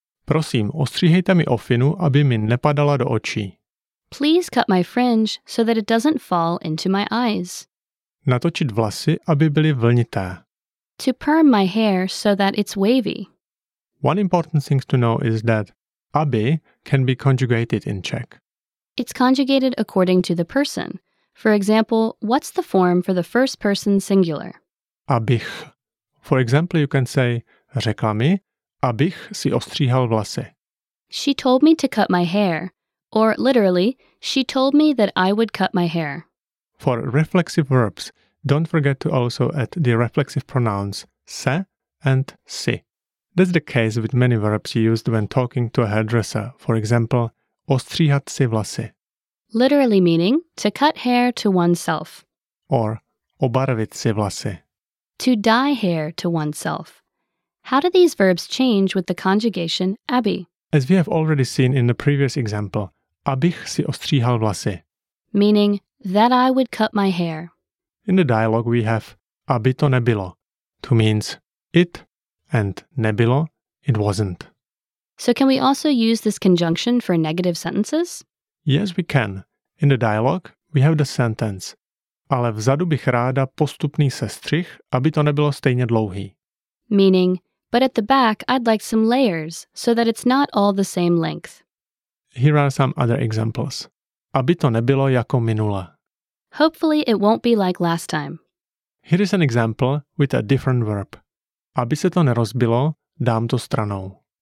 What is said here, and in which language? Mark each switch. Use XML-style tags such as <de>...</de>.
<cs>Prosím, ostříhejte mi ofinu, aby mi nepadala do očí.</cs> <en>Please cut my fringe so that it doesn't fall into my eyes.</en> <cs>Natočit vlasy, aby byly vlnité.</cs> <en>To perm my hair so that it's wavy. One important thing to know is that aby can be conjugated in Czech. It's conjugated according to the person. For example, what's the form for the first person singular?</en> <cs>Abych.</cs> <en>For example, you can say,</en> <cs>řekla mi, abych si ostříhal vlasy.</cs> <en>She told me to cut my hair. Or literally, she told me that I would cut my hair. For reflexive verbs, don't forget to also add the reflexive pronouns se and si. That's the case with many verbs used when talking to a hairdresser. For example,</en> <cs>ostříhat si vlasy.</cs> <en>Literally meaning, to cut hair to oneself.</en> <cs>Or obarvit si vlasy.</cs> <en>To dye hair to oneself. How do these verbs change with the conjugation aby? As we have already seen in the previous example,</en> <cs>abych si ostříhal vlasy.</cs> <en>Meaning, that I would cut my hair. In the dialogue we have</en> <cs>aby to nebylo,</cs> <en>to means it and nebylo, it wasn't. So can we also use this conjunction for negative sentences? Yes, we can. In the dialogue, we have the sentence</en> <cs>ale vzadu bych ráda postupný sestřih, aby to nebylo stejně dlouhý.</cs> <en>Meaning, but at the back I'd like some layers, so that it's not all the same length. Here are some other examples.</en> <cs>Aby to nebylo jako minule.</cs> <en>Hopefully it won't be like last time. Here is an example with a different verb.</en> <cs>Aby se to nerozbilo, dám to stranou.</cs>